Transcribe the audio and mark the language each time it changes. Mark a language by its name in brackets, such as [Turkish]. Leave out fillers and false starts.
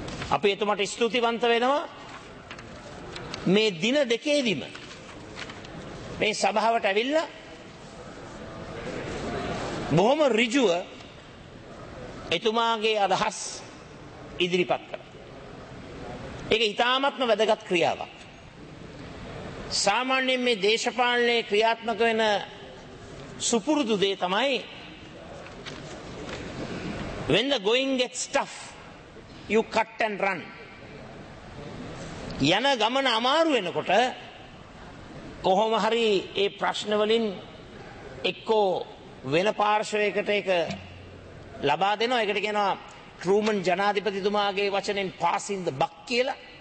[Sinhala] අපි එතුමාට ස්තුතිවන්ත වෙනවා. මේ දින දෙකේදීම මේ සභාවට ඇවිල්ලා බොහොම ඍජුව එතුමාගේ අදහස් ඉදිරිපත් කළා. ඒක ඉතාමත්ම වැදගත් ක්‍රියාවක්. සාමාන්‍යයෙන් මේ දේශපාලනයේ ක්‍රියාත්මක වෙන සුපුරුදු දේ තමයි [English] When the going gets tough, you cut and run. [Sinhala] යන ගමන අමාරු වෙනකොට කොහොම හරි ඒ ප්‍රශ්න වලින් එක්කෝ වෙන පාර්ශ්වයකට ඒක ලබා දෙනවා. ඒකට කියනවා ක්‍රූමන් ජනාධිපතිතුමාගේ වචනෙන් [English] pass in the buck [Sinhala] කියලා.